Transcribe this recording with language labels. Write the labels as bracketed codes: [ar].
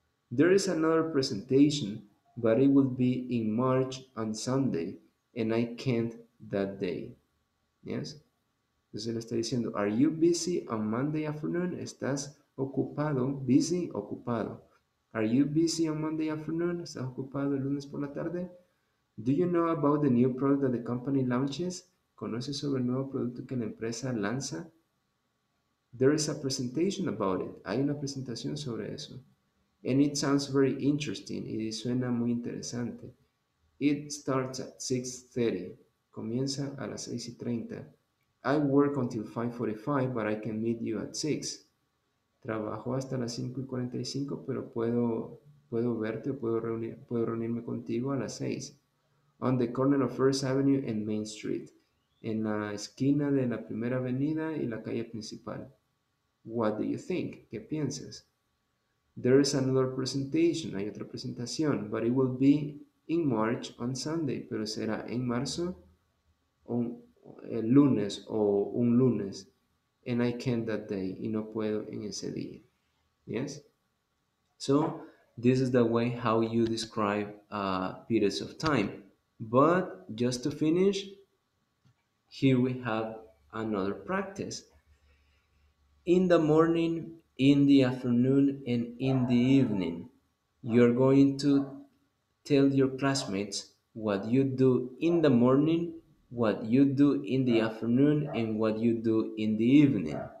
[en] There is another presentation, but it will be in March on Sunday, and I can't that day. Yes? [es] Entonces le está diciendo, [en] are you busy on Monday afternoon? [es] ¿Estás ocupado? [en] Busy, ocupado. Are you busy on Monday afternoon? [es] ¿Estás ocupado el lunes por la tarde? [en] Do you know about the new product that the company launches? [es] ¿Conoces sobre el nuevo producto que la empresa lanza? [en] There is a presentation about it. [es] Hay una presentación sobre eso. [en] And it sounds very interesting. [es] Y suena muy interesante. [en] It starts at 6:30. [es] Comienza a las 6:30. [en] I work until 5:45, but I can meet you at 6. [es] Trabajo hasta las 5:45, pero puedo verte o puedo reunirme contigo a las 6. [en] On the corner of First Avenue and Main Street. [es] En la esquina de la primera avenida y la calle principal. [en] What do you think? [es] ¿Qué piensas? [en] There is another presentation. [es] Hay otra presentación. [en] But it will be in March on Sunday. [es] Pero será en marzo o el lunes o un lunes. [en] And I can't that day. [es] Y no puedo en ese día. [en] Yes? So, this is the way how you describe periods of time. But just to finish, here we have another practice. In the morning, in the afternoon, and in the evening, you're going to tell your classmates what you do in the morning, what you do in the afternoon, and what you do in the evening.